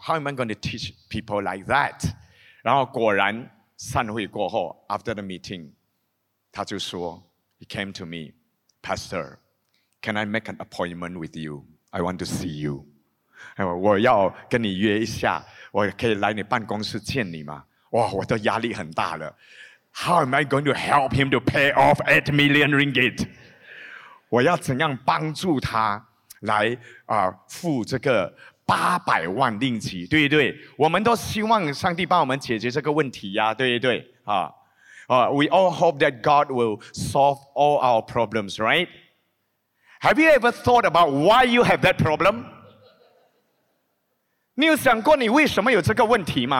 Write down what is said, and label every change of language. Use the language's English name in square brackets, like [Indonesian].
[English] How am I going to teach people like that? [Chinese] 然后果然散会过后, [English] after the meeting, [Chinese] 他就说, [English] he came to me, Pastor, can I make an appointment with you? I want to see you. [Chinese] 我要跟你约一下, 我可以来你办公室见你吗? 哇,我的压力很大了。 [English] How am I going to help him to pay off 8 million ringgit? [Chinese] 我要怎样帮助他? 来付这个 800万令旗, 对不对?我们都希望上帝帮我们解决这个问题呀, 对不对? [English] We all hope that God will solve all our problems, right? Have you ever thought about why you have that problem? 你有想过你为什么有这个问题吗?